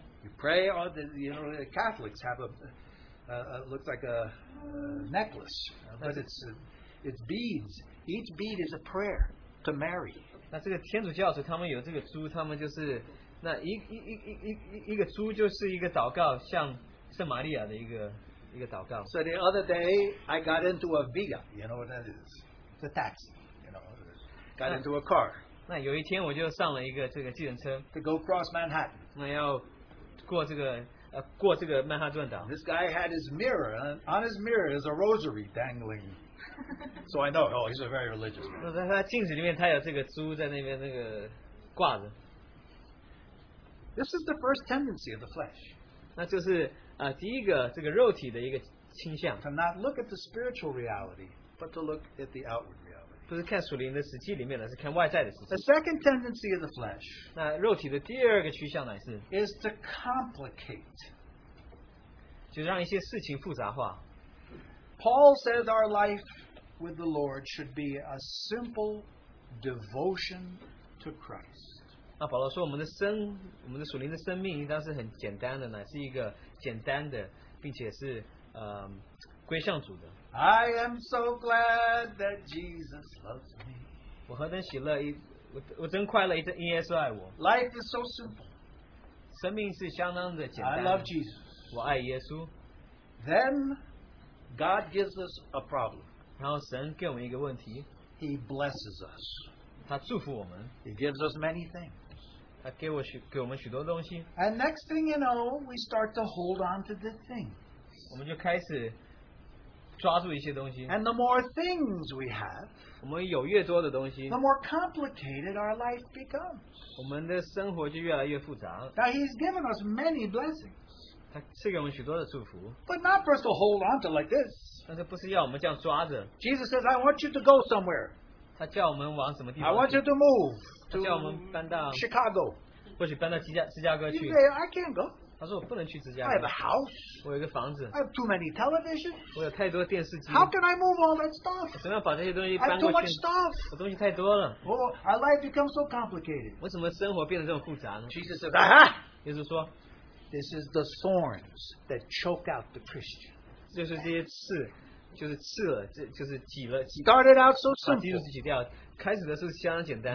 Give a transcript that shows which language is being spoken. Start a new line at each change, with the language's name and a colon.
English: ？You pray on the you know the Catholics have looks like a necklace, but it's beads. Each bead is a prayer to Mary.
Chinese: 那这个天主教徒他们有这个珠，他们就是那一个珠就是一个祷告，像圣玛利亚的一个祷告。
English: So the other day I got into a Via, you know what that is? The taxi, you know, got into a car.
Chinese: 那有一天我就上了一个这个计程车
English: to go across Manhattan.
Chinese: 那要过这个曼哈顿岛
English: This guy had his mirror, on his mirror is a rosary dangling. So I know, oh, he's a very religious man.
Chinese: 那他镜子里面他有这个珠在那边那个挂着
English: This is the first tendency of the flesh.
Chinese: 那就是第一个这个肉体的一个倾向
English: To not look at the spiritual reality. But to look at the outward reality.
Chinese: 不是看属灵的实际里面的，是看外在的实际。
English: The second tendency of the flesh.
Chinese: 那肉体的第二个趋向乃是
English: is to complicate.
Chinese: 就让一些事情复杂化。
English: Paul says our life with the Lord should be a simple devotion to Christ.
Chinese: 那保罗说我们的属灵的生命应当是很简单的，乃是一个简单的，并且是归向主的。
English: I am so glad that Jesus loves me.
Chinese: 我何等喜乐，我真快乐，因耶稣爱我。
English: Life is so simple.
Chinese: 生命是相当的简单。
English: I love Jesus.
Chinese: 我爱耶稣。
English: Then God gives us a problem.
Chinese: 然后神给我们一个问题。
English: He blesses us.
Chinese: 他祝福我们。
English: He gives us many things.
Chinese: 他给我们许多东西。
English: And next thing you know, we start to hold on to the things.
Chinese: 我们就开始。抓住一些东西
English: and the more things we have,
Chinese: 我们有越多的东西
English: the more complicated our life becomes.
Chinese: 我们的生活就越来越复杂了
English: Now he's given us many blessings.
Chinese: 他赐给我们许多的祝福
English: But not for us to hold on to like this.
Chinese: 但是不是要我们这样抓着
English: Jesus says, I want you to go somewhere.
Chinese: 他叫我们往什么地方去
English: I want you to move.
Chinese: 他叫我们搬到
English: Chicago.
Chinese: 或许搬到芝加哥去
English: You say, I can't go.
Chinese: 他说我不能去芝加
English: 哥。I have a house.
Chinese: 我有个房子。
English: I have too many television.
Chinese: 我有太多电视机。
English: How can I move all that stuff?
Chinese: 我怎么样把这些东西搬过去
English: I have too much stuff.
Chinese: 我东西太多了。
English: Oh, our life becomes so complicated.
Chinese: 为什么生活变得这么复杂呢
English: ？Jesus says, "Aha!"
Chinese: 耶稣说
English: "This is the thorns that choke out the Christian."
Chinese: 就是这些刺，就是刺了，这就是挤了。
English: Started out so simple.
Chinese: 把基督挤掉，开始的时候相当简单。